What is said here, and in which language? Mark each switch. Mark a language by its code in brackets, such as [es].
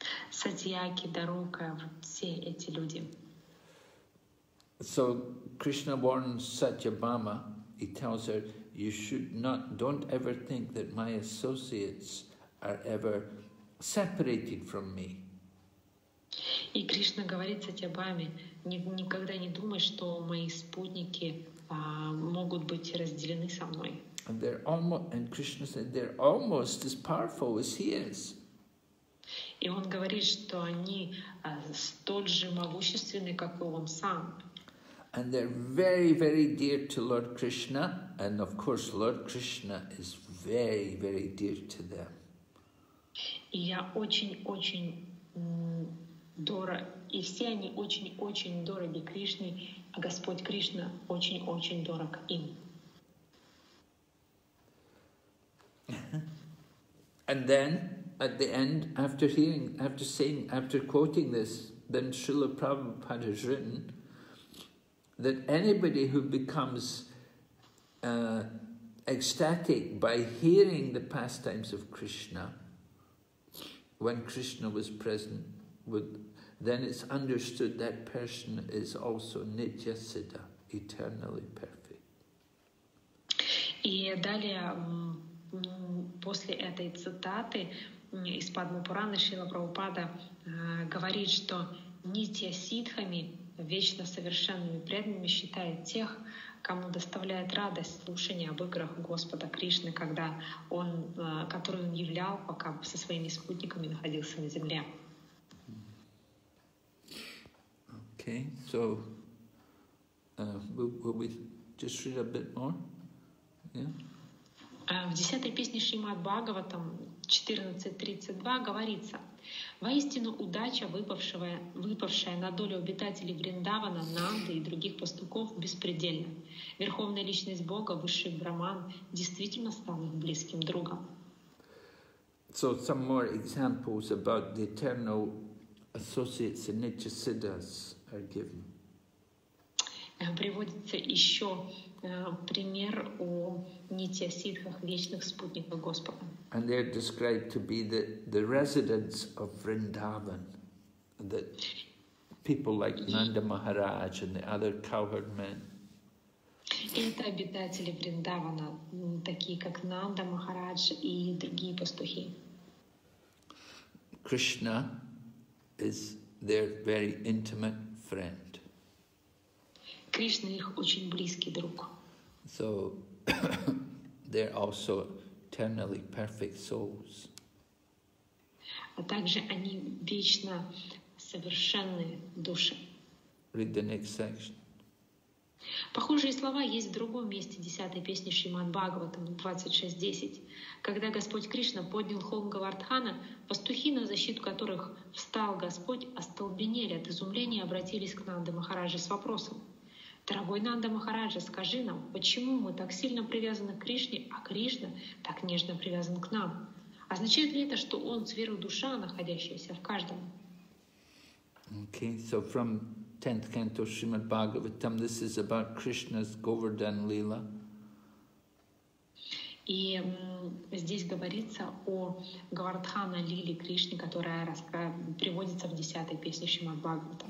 [ru] Сатьяки, Дарука, все эти люди. [en] So Krishna warns Satyabhama, he tells her, you should not, don't ever think that my associates are ever separated from me. [ru] И Кришна говорит Сатьябхаме, никогда не думай, что мои спутники могут быть разделены со мной. [en] And Krishna said, they're almost as powerful as he is. [ru] И он говорит, что они столь же могущественны, как и он сам. [en] And they're very, very dear to Lord Krishna. And of course, Lord Krishna is very, very dear to them. [ru] И я очень-очень дорог, и все они очень-очень дороги Кришне, а Господь Кришна очень-очень дорог им. [en] And then, at the end, after hearing, after saying, after quoting this, then Srila Prabhupada has written that anybody who becomes ecstatic by hearing the pastimes of Krishna, when Krishna was present, with, then it's understood that person is also Nitya Siddha, eternally perfect. [ru] И далее, после этой цитаты из Падма Пурана Шрила Прабхупада говорит, что Нитья Сиддхами, вечно совершенными преданными, считает тех, кому доставляет радость слушание об играх Господа Кришны, когда он, который он являл, пока со своими спутниками находился на земле. [en] Okay, so will we just read a bit more? [ru] В 10-й песне Шримад Бхагаватам 14.32 говорится: «Воистину удача, выпавшая на долю обитателей Вриндавана, Нанды и других пастухов, беспредельна. Верховная Личность Бога, Высший Брахман, действительно стал их близким другом». [en] So some more examples about the eternal associates and Nitya Siddhas are given. [ru] Приводится еще пример о нитья-сиддхах, вечных спутниках Господа. [en] And they are described to be the residents of Vrindavan, that people like Nanda Maharaj and the other cowherd men. [ru] Это обитатели Вриндавана, такие как Нанда Махарадж и другие пастухи. [en] Krishna is their very intimate friend. [ru] Кришна их очень близкий друг. [en] So they're also eternally perfect souls. [ru] А также они вечно совершенные души. [en] Read the next section. [ru] Похожие слова есть в другом месте 10-й песни Шримад Бхагаватам 26.10. Когда Господь Кришна поднял холм Говардхана, пастухи, на защиту которых встал Господь, остолбенели от изумления и обратились к Нанда Махараджа с вопросом: «Дорогой Нанда Махараджа, скажи нам, почему мы так сильно привязаны к Кришне, а Кришна так нежно привязан к нам? Означает ли это, что он сверхдуша, находящаяся в каждом?» [en] Okay, so from 10th canto Srimad Bhagavatam, this is about Krishna's Govardhan Lila. [ru] И здесь говорится о Говардхана Лиле Кришне, которая приводится в 10-й песне Шримад Бхагаватам.